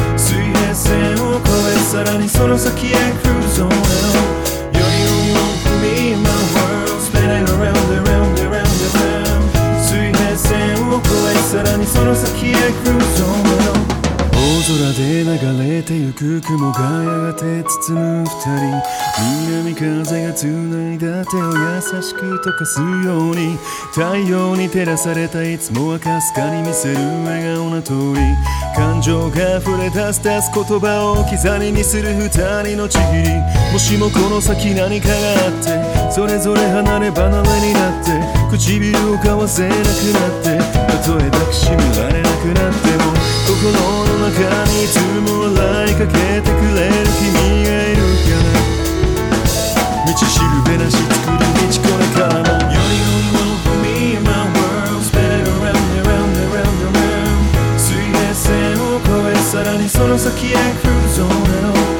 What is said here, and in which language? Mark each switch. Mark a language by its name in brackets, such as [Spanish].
[Japanese] さらにその先へ [English] cruise on and on. You're the only one for me in my world. Spinning around, around, around, around. [Japanese] 水平線を越え、さらにその先へ [English] cruise on and on. [Japanese] 空で流れてゆく雲がやがて包む二人。南風が繋いだ手を優しく溶かすように。太陽に照らされたいつもはかすかに見せる笑顔の通り。感情が溢れ出す言葉を刻みにする二人のちぎり。もしもこの先何かがあって、それぞれ離れ離れになって、唇を交わせなくなって、たとえ抱きしめられなくなっても、心の中にいつも笑いかけてくれる君がいるから。道しるべなし作る道これからも。 [English] You're the only one for me in my world. Spin it around, around, around, around. [Japanese] 水平線を越え、さらにその先へ [English] cruise on and on.